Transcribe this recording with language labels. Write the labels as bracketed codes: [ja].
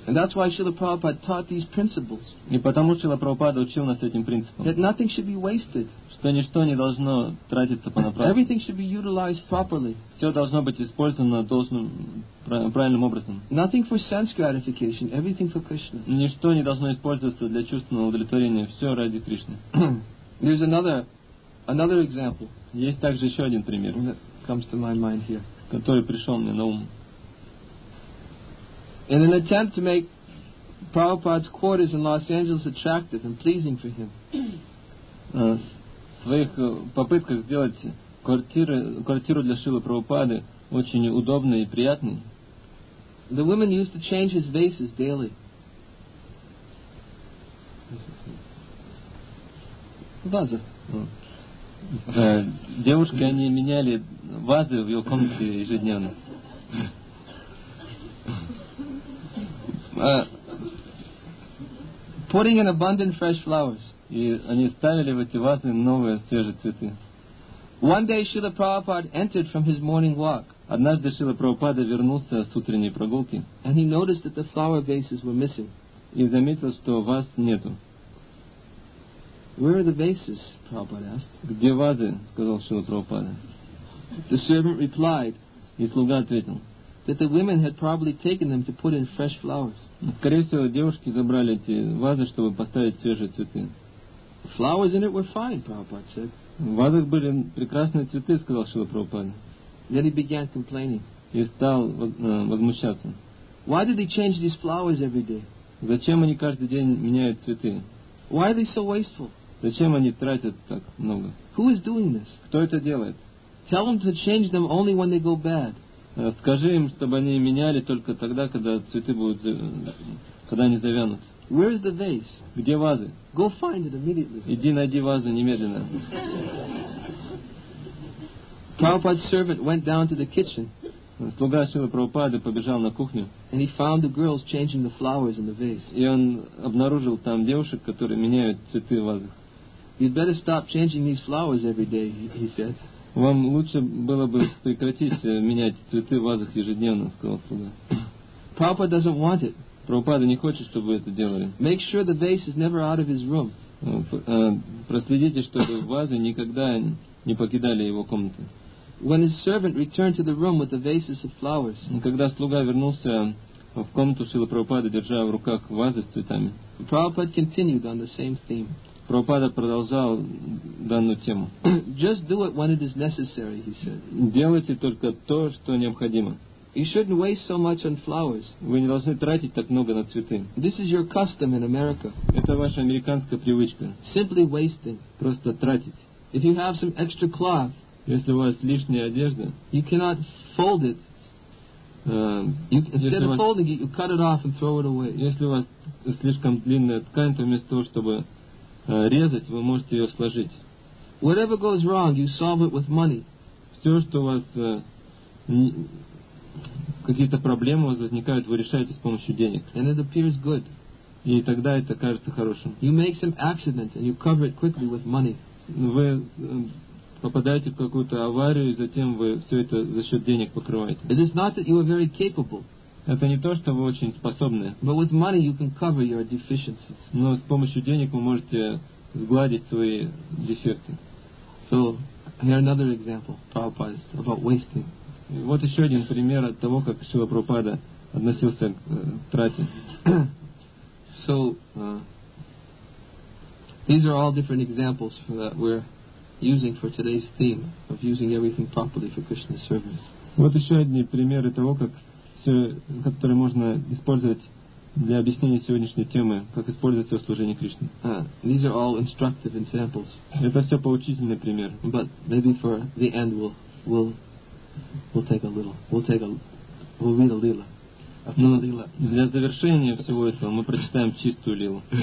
[en] And that's why Srila Prabhupada taught these principles. [ru] И потому Srila Prabhupada учил нас этим принципам. [en] That nothing should be wasted. [ru] Что ничто не должно тратиться понапрасну. [en] Everything should be utilized properly. [ru] Все должно быть использовано должным, правильным образом. [en] Nothing for sense gratification, everything for Krishna. [ru] Ничто не должно использоваться для чувственного удовлетворения, все ради Кришны. [en] There's another example. [ru] Есть также еще один пример. [en] Comes to my mind here. [ru] Который пришел мне на ум. [en] In an attempt to make Prabhupada's quarters in Los Angeles attractive and pleasing for him. [ru] В своих попытках сделать квартиру для Шилы Прабхупады очень удобной и приятной. [en] The women used to change his vases daily. [ru] Ваза. Девушки, они меняли вазы в его комнате ежедневно. [en] Putting in abundant fresh flowers. [ru] И они ставили в эти вазы новые свежие цветы. [en] One day Srila Prabhupada entered from his morning walk. [ru] Однажды Шрила Прабхупада вернулся с утренней прогулки. [en] And he noticed that the flower vases were missing. [ru] И заметил, что ваз нету. [en] Where are the vases? Prabhupada asked. [ru] Где вазы? Сказал Шрила Прабхупада. [en] The servant replied. [ru] И слуга ответил. [en] That the women had probably taken them to put in fresh flowers. [ru] Скорее всего, девушки забрали эти вазы, чтобы поставить свежие цветы. [en] Flowers in it were fine, Prabhupada said. [ru] В вазах были прекрасные цветы, сказал Шрила Прабхупада. [en] Then he began complaining. [ru] И стал возмущаться. [en] Why did they change these flowers every day? [ru] Зачем они каждый день меняют цветы? [en] Why are they so wasteful? [ru] Зачем они тратят так много? [en] Who is doing this? [ru] Кто это делает? [en] Tell them to change them only when they go bad. [ru] Скажи им, чтобы они меняли только тогда, когда цветы будут, когда они завянут. [en] Where is the vase? [ru] Где вазы? [en] Go find it immediately. [ru] Иди найди вазы немедленно. [en] Prabhupada's servant went down to the kitchen. [ru] Слуга Шрилы Прабхупады побежал на кухню. [en] And he found the girls changing the flowers in the vase. [ru] И он обнаружил там девушек, которые меняют цветы в вазах. [en] You'd better stop changing these flowers every day, he said. [ru] Вам лучше было бы прекратить менять цветы в вазах ежедневно, сказал слуга. [en] Prabhupada doesn't want it. [ru] Прабхупада не хочет, чтобы вы это делали. [en] Make sure the vase is never out of his room. [ru] Проследите, чтобы вазы никогда не покидали его комнаты. [en] When his servant returned to the room with the vases of flowers. [ru] Когда слуга вернулся в комнату, Шрила Прабхупада держа в руках вазы с цветами. [en] Prabhupada continued on the same theme. [ru] Прабхупада продолжал данную тему. [en] Just do it when it is necessary, he said. [ru] Делайте только то, что необходимо. [en] You shouldn't waste so much on flowers. [ru] Вы не должны тратить так много на цветы. [en] This is your custom in America. [ru] Это ваша американская привычка. [en] Simply wasting. [ru] Просто тратить. [en] If you have some extra cloth, [ru] если у вас лишняя одежда, [en] you cannot fold it. Instead of folding it, you cut it off and throw it away. [ru] Если у вас слишком длинная ткань, то вместо того, чтобы резать, вы можете ее сложить. [en] Whatever goes wrong, you solve it with money. [ru] Все, что у вас какие-то проблемы у вас возникают, вы решаете с помощью денег. [en] And it appears good. [ru] И тогда это кажется хорошим. [en] You make some accident and you cover it quickly with money. [ru] Вы попадаете в какую-то аварию, и затем вы все это за счет денег покрываете. [en] It is not that you are very capable. [ru] Это не то, что вы очень способны. [en] But with money you can cover your deficiencies. [ru] Но с помощью денег вы можете сгладить свои дефекты. [en] So, here another example, Prabhupada, about wasting. [ru] И вот еще один пример от того, как Шрила Прабхупада относился к трате. [en] So, these are all different examples for that we're using for today's theme of using everything properly for Krishna's service. [ru] Вот еще одни примеры того, как которые можно использовать для объяснения сегодняшней темы, как использовать все служение Кришне. [en] These are all instructive examples. [ru] Это все поучительные примеры. [en] But maybe for the end we'll read a lila. [ru] Для завершения всего этого мы прочитаем чистую лилу.